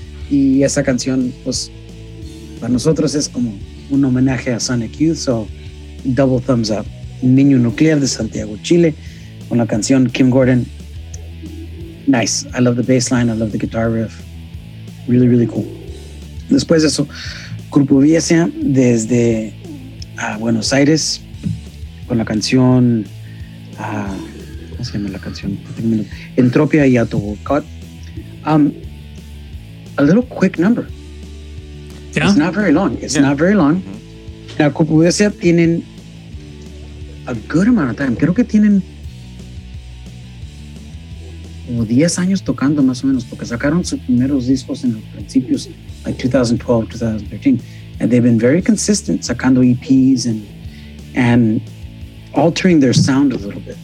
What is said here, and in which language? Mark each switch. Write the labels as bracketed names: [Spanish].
[Spanish] Y esa canción, pues, para nosotros es como un homenaje a Sonic Youth, [English] so double thumbs up. [Spanish] Niño Nuclear de Santiago, Chile, con la canción Kim Gordon. [English] Nice. I love the bass line, I love the guitar riff. Really, really cool. [Spanish] Después de eso, Grupo Viesia desde Buenos Aires, con la canción, ¿cómo se llama la canción? Entropia y Autobocot. [English] A little quick number. Yeah. It's not very long. It's not very long. Mm-hmm. Now, [Spanish] Grupo Viesia tienen [English] a good amount of time. [Spanish] Creo que tienen como 10 años tocando más o menos, porque sacaron sus primeros discos en los principios, [English] like 2012, 2013. And they've been very consistent sacando EPs and altering their sound a little bit.